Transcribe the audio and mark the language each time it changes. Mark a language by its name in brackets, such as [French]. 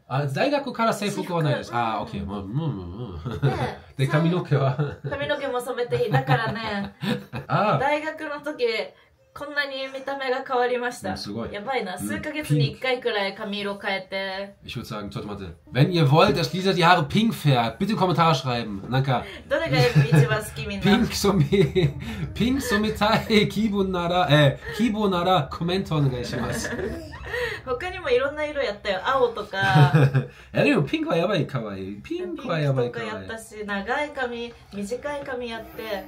[Japanese] あ、大学から制服はないです。あ、オッケー。で、髪の毛は髪の毛も染めていい。だからね、あ、大学の時こんなに見た目が変わりました、すごい。やばいな、数ヶ月に1回くらい髪色変えて。 [German] Ich würde sagen, [Japanese] ちょっと待って。 [German] Wenn ihr wollt, dass Lisa die Haare pink färbt, bitte Kommentar schreiben. [Japanese] なんか、どれが一番好きみんな。ピンク染めたい気分なら、希望ならコメントお願いします。他にもいろんな色やったよ。青とか。え、でもピンクはやばい、かわいい。ピンクはやばい、かわいい。長い髪、短い髪やって。